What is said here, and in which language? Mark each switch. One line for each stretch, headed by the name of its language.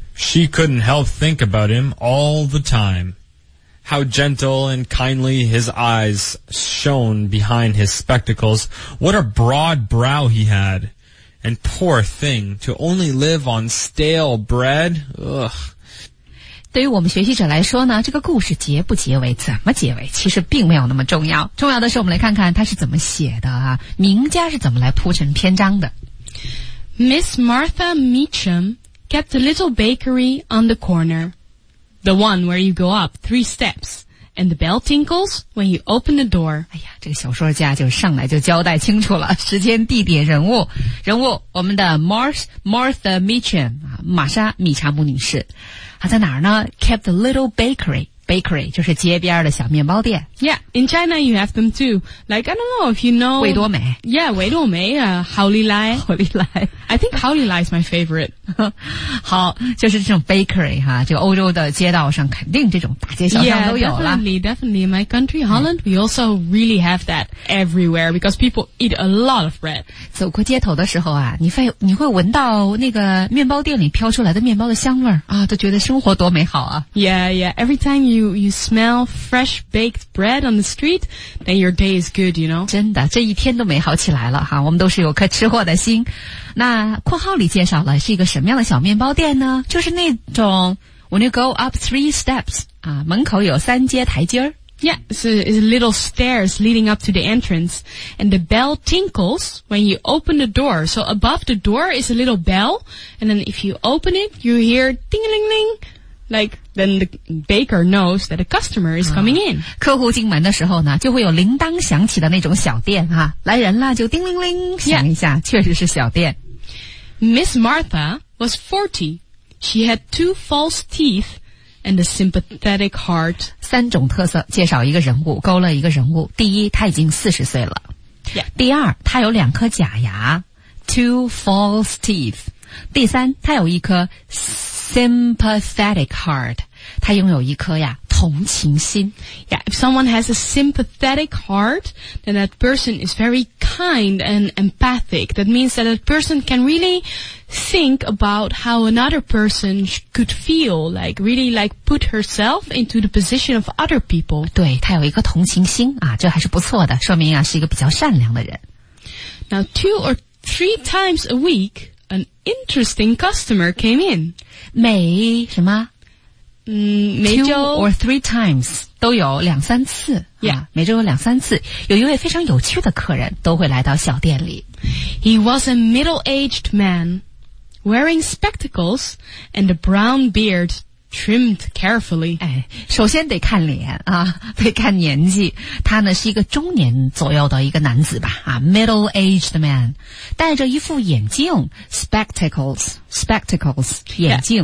English: She couldn't help think about him all the time. How gentle and kindly his eyes shone behind his spectacles. What a broad brow he had. And poor thing, to only live on stale bread. Ugh.
Chinese: 对于我们学习者来说呢，这个故事结不结尾，怎么结尾，其实并没有那么重要。重要的是我们来看看他是怎么写的啊，名家是怎么来铺成篇章的。
English: Miss Martha Meacham kept a little bakery on the corner. The one where you go up 3 steps, and the bell tinkles when you open the door.
Chinese: 哎呀，这个小说家就上来就交代清楚了，时间、地点、人物，我们的 Martha Meacham, 玛莎·米查姆女士。她在哪儿呢 ?
English: Kept a little bakery.
Chinese: Bakery 就是街边的小面包店。
English: Yeah, in China you have them too. Like, I don't know if you know...
Chinese: 维多美。 Yeah, 维多美啊，好利来。好利来。
English: I think 好利来 is my favorite.
Chinese: 好，就是这种 bakery, 哈，这个欧洲的街道上肯定这种大街小巷都有了。
English: Yeah, definitely. In my country, Holland,we also really have that everywhere because people eat a lot of bread.
Chinese: 走过街头的时候啊，你会闻到那个面包店里飘出来的面包的香味啊，都觉得生活多美好啊。
English: Yeah, every time you smell fresh baked bread on the street, then your day is good, you know?
Chinese: 真的，这一天都美好起来了哈，我们都是有颗吃货的心。那括号里介绍了是一个什么样的小面包店呢？就是那种
English: when you go up 3 steps,
Chinese: 啊，门口有3阶台阶。
English: Yeah, so it's a little stairs leading up to the entrance, and the bell tinkles when you open the door. So above the door is a little bell, and then if you open it, you hear ding-a-ling-ling,Like, then the baker knows that a customer is coming in.
Chinese: 客户进门的时候呢，就会有铃铛响起的那种小店啊，来人了就叮铃铃响一下，确实是小店。
English: Miss Martha was 40. She had 2 false teeth and a sympathetic heart.
Chinese: 3种特色，介绍一个人物，勾勒一个人物。第一，她已经40岁了。
English: Yeah.
Chinese: 第二，她有2颗假牙。
English: two false teeth.
Chinese: 第三，他有一颗 sympathetic heart. 他拥有一颗呀同情心。
English: Yeah, if someone has a sympathetic heart, then that person is very kind and empathic. That means that that person can really think about how another person could feel, like really like put herself into the position of other people.
Chinese: 对，他有一个同情心啊，这还是不错的，说明啊是一个比较善良的人。
English: Now, two or three times a week, an interesting customer came in.
Chinese: 每什么？每周
English: two or three times
Chinese: 都有两三次、
English: yeah.
Chinese: 每周有两三次有一位非常有趣的客人都会来到小店里
English: He was a middle-aged man wearing spectacles and a brown beard trimmed carefully、
Chinese: 哎、首先得看脸、啊、得看年纪他呢是一个中年左右的一个男子吧、啊、middle-aged man 戴着一副眼镜 spectacles 眼镜、